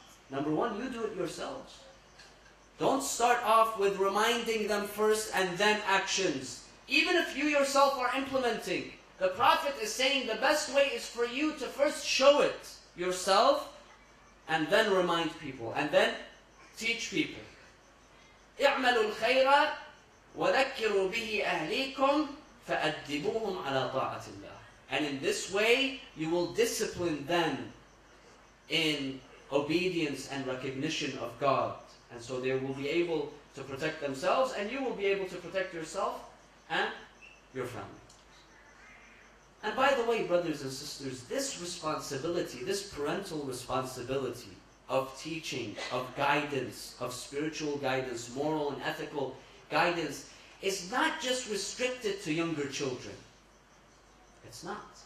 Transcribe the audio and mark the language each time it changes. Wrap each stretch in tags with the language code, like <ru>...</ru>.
<en>Number one, you do it yourselves. Don't start off with reminding them first and then actions. Even if you yourself are implementing, the Prophet is saying the best way is for you to first show it yourself and then remind people and then teach people.</en> <ar>اعملوا الخير وذكروا به أهليكم فأدبوهم على طاعة الله.</ar> <en>And in this way, you will discipline them in obedience and recognition of God. And so they will be able to protect themselves and you will be able to protect yourself and your family. And by the way, brothers and sisters, this responsibility, this parental responsibility of teaching, of guidance, of spiritual guidance, moral and ethical guidance, is not just restricted to younger children. It's not.</en>